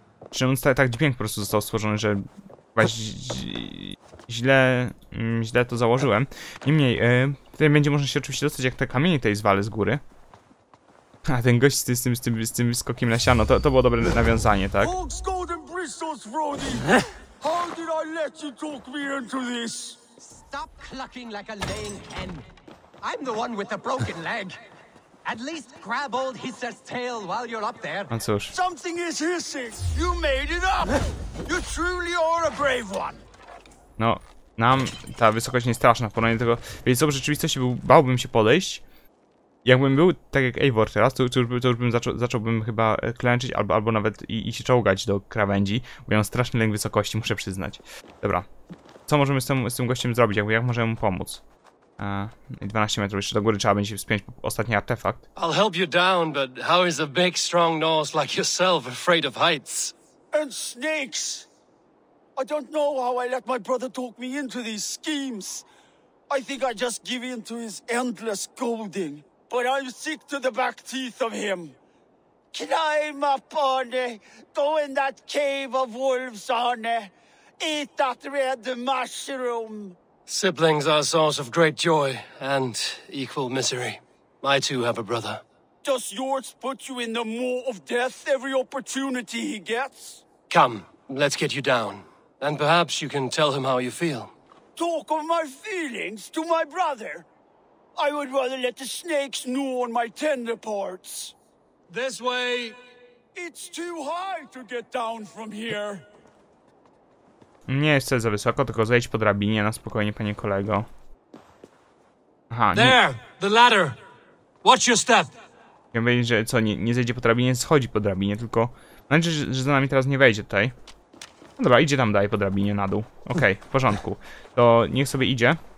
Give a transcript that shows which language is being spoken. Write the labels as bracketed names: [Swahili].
[Polish] Czy on tak dźwięk po prostu został stworzony, że chyba źle to założyłem. Niemniej, tutaj będzie można się oczywiście dostać, jak te kamienie tutaj zwalę z góry. A ten gość z tym skokiem na siano, to było dobre nawiązanie, tak? [English] How did I let you talk me into this? Stop clucking like a laying hen. I'm the one with the broken leg. At least grab old Hisser's tail while you're up there. [Polish] No cóż. [English] Something is hissing. You made it up. You truly are a brave one. [Polish] No, nam ta wysokość nie straszna w porównaniu do tego. Więc co, w rzeczywistości bałbym się podejść. Jakbym był tak jak Eivor teraz, to już bym zacząłbym chyba klęczyć albo nawet i się czołgać do krawędzi, bo ja mam straszny lęk wysokości, muszę przyznać. Dobra. Co możemy z tym gościem zrobić? Jak możemy mu pomóc? 12 metrów jeszcze do góry, trzeba będzie wspiąć ostatni artefakt. [English] I'll help you down, but how is a big strong Norse like yourself afraid of heights? And snakes! I don't know how I let my brother talk me into these schemes. I think I just give in to his endless goading. But I'm sick to the back teeth of him. Climb up, Arne. Go in that cave of wolves, Arne. Eat that red mushroom. Siblings are a source of great joy and equal misery. I too have a brother. Does yours put you in the maw of death every opportunity he gets? Come, let's get you down. And perhaps you can tell him how you feel. Talk of my feelings to my brother? I would rather let the snakes gnaw on my tender parts. This way. It's too high to get down from here. [Polish] Nie jest za wysoko, tylko zejdź po drabinie na spokojnie, panie kolego. Aha, nie. [English] There, the ladder. Watch your step. [Polish] Nie wiem, że co, nie zejdzie po drabinie, schodzi po drabinie, tylko... Znaczy, że za nami teraz nie wejdzie tutaj. No dobra, idzie tam dalej po drabinie na dół. Okej, okay, w porządku. To niech sobie idzie.